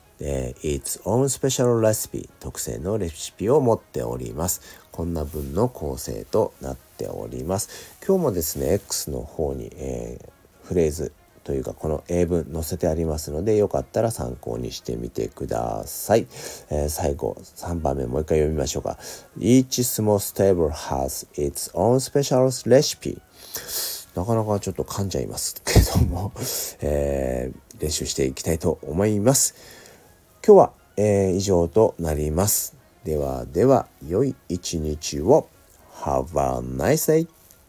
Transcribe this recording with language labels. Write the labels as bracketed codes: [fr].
[en] It's own special recipe、 [ja] 特製のレシピを持っております。こんな文の構成となっております。今日もですね、 X の方に、フレーズというかこの英文載せてありますので、よかったら参考にしてみてください。最後3番目もう一回読みましょうか。 [en] Each small stable has its own special recipe。 [ja] なかなかちょっと噛んじゃいますけども練習していきたいと思います。今日は、以上となります。では、良い一日を。 [en] Have a nice day!